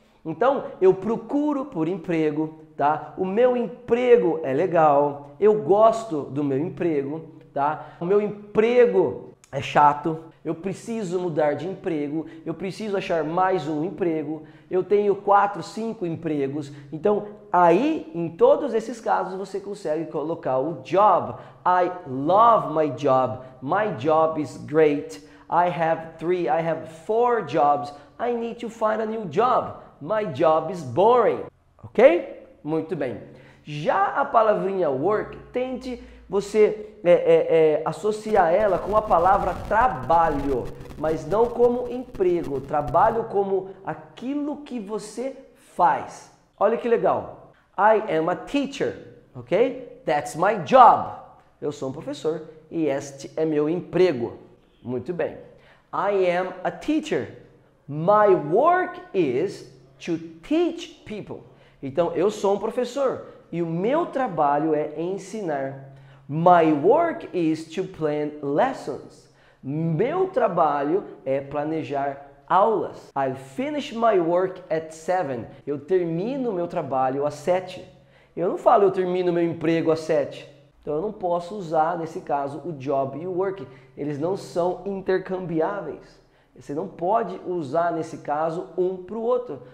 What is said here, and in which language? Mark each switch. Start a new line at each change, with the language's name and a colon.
Portuguese: Então, eu procuro por emprego, tá? O meu emprego é legal, eu gosto do meu emprego, tá? O meu emprego é chato, eu preciso mudar de emprego, eu preciso achar mais um emprego, eu tenho 4, 5 empregos. Então, aí, em todos esses casos, você consegue colocar o job.
English: I love my job is great, I have 4 jobs, I need to find a new job. My job is boring. Ok?
Portuguese: Muito bem. Já a palavrinha work, tente você associar ela com a palavra trabalho, mas não como emprego. Trabalho como aquilo que você faz. Olha que legal.
English: I am a teacher. Ok? That's my job.
Portuguese: Eu sou um professor e este é meu emprego. Muito bem.
English: I am a teacher. My work is to teach people.
Portuguese: Então, eu sou um professor e o meu trabalho é ensinar.
English: My work is to plan lessons.
Portuguese: Meu trabalho é planejar aulas.
English: I finish my work at 7.
Portuguese: Eu termino meu trabalho às 7. Eu não falo eu termino meu emprego às 7. Então, eu não posso usar, nesse caso, o job e o work. Eles não são intercambiáveis. Você não pode usar, nesse caso, um para o outro.